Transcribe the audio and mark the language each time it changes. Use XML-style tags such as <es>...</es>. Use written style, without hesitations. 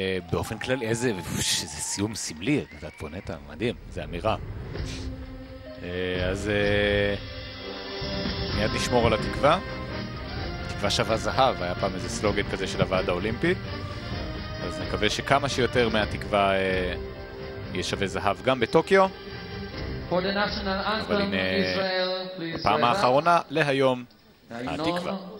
<he>באופן כלל, איזה סיום סמלי, את פונטה, מדהים, זה אמירה. אז מיד נשמור על התקווה. תקווה שווה זהב, היה פעם איזה סלוגן כזה של הוועד האולימפי. אז נקווה שכמה שיותר מהתקווה יהיה שווה זהב גם בטוקיו.</he> <en>For the national anthem, Israel, please.</en> <he>הפעם האחרונה להיום, התקווה.</he>